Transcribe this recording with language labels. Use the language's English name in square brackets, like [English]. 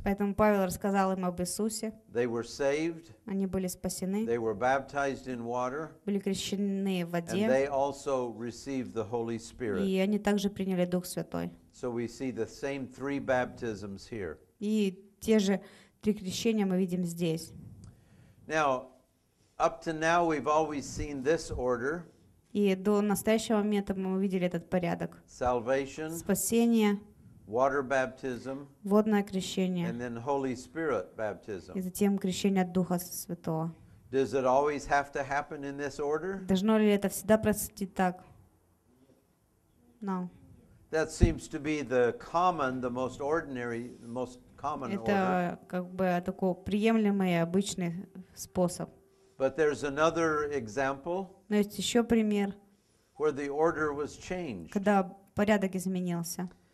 [Russian] Поэтому Павел рассказал им об Иисусе. [English] They were saved. [Russian] Они были спасены. [English] They were baptized in water. [Russian] Были крещены в воде. [English] And they also received the Holy Spirit. [Russian] И они также приняли Дух Святой. [English] So we see the same three baptisms here. [Russian] И те же три крещения мы видим здесь. [English] Now, up to now we've always seen this order. [Russian] И до настоящего момента мы увидели этот порядок. [English] Salvation. [Russian] Спасение. [English] Water baptism, [Russian] водное крещение, [English] and then Holy Spirit baptism. [Russian] И затем крещение от Духа Святого. [English] Does it always have to happen in this order? [Russian] Должно ли это всегда происходить так? [English] No. That seems to be the common, the most ordinary, the most common order. [Russian] Это как бы такой приемлемый обычный способ. [English] But there's another example. [Russian] Но есть еще пример. [English] Where the order was changed. [Russian] Когда порядок изменился.